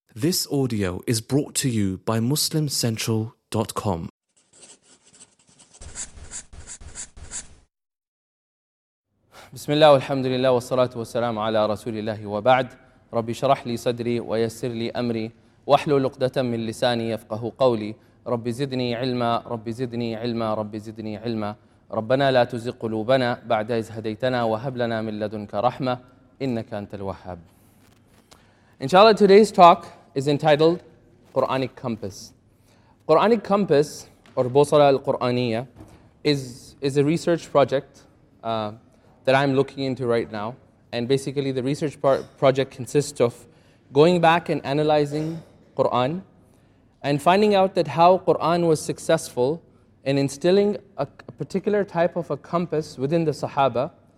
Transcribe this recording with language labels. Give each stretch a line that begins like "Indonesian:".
English: This audio is brought to you by MuslimCentral.com.
Arabic: بسم الله والحمد لله والصلاة والسلام على رسول الله وبعد ربي شرح لي صدري ويسر لي أمري وحلو لقدة من لساني يفقه قولي ربي زدني علما ربي زدني علما ربي زدني علما ربنا لا تزغ قلوبنا بعد إذ هديتنا وهب لنا من لدنك رحمة إنك أنت الوهاب.
English: Inshallah, today's talk is entitled Quranic Compass. Quranic Compass, or Bosala al-Quraniyya, is a research project that I'm looking into right now. And basically the research project consists of going back and analyzing Quran and finding out that how Quran was successful in instilling a particular type of a compass within the Sahaba.